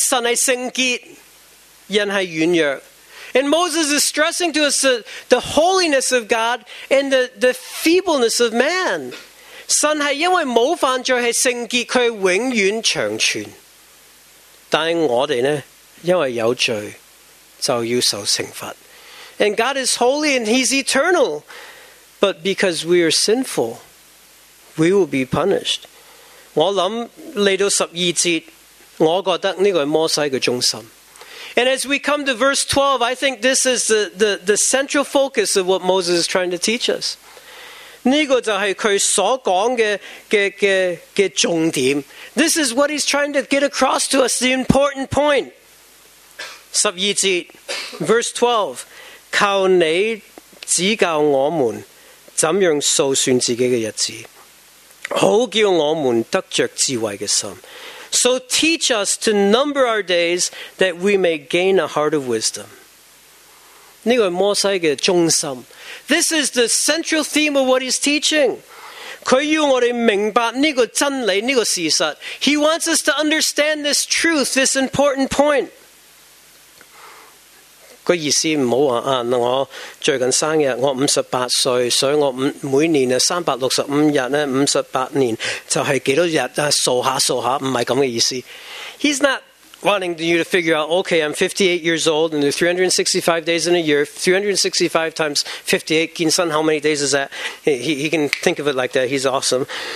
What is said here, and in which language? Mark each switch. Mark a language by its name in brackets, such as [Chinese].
[Chinese] 摩西强调说我们听神是圣洁，人是软弱。 [English] And Moses is stressing to us the holiness of God and the feebleness of man. [Chinese] 神是因为没有犯罪是圣洁，祂永远长存。但是我们呢，因为有罪就要受惩罚。 [English] And God is holy and he's eternal, but because we are sinful, we will be punished. [Chinese] 我想来到十二节，我觉得这个是摩西的中心。 [English] And as we come to verse 12, I think this is the central focus of what Moses is trying to teach us. [Chinese] 这个就是他所讲的重点。 [English] This is what he's trying to get across to us, the important point. [Chinese] 十二节 [English] verse 12, [Chinese] 靠你指教我们怎样数算自己的日子，好叫我们得着智慧的心。 [English] So teach us to number our days that we may gain a heart of wisdom. [Chinese] 这个是摩西的中心。 [English] This is the central theme of what he's teaching. [Chinese] 他要我们明白这个真理，这个事实。 [English] He wants us to understand this truth, this important point. [Chinese] 他意思不要说，啊，我最近生日，我58岁，所以我每年365日，58年，就是多少日，数下数下，不是这样的意思。 [English] He's not wanting you to figure out, okay, I'm 58 years old, and there are 365 days in a year, 365 times 58, [Chinese] 金算, [English] how many days is that? He can think of it like that, he's awesome.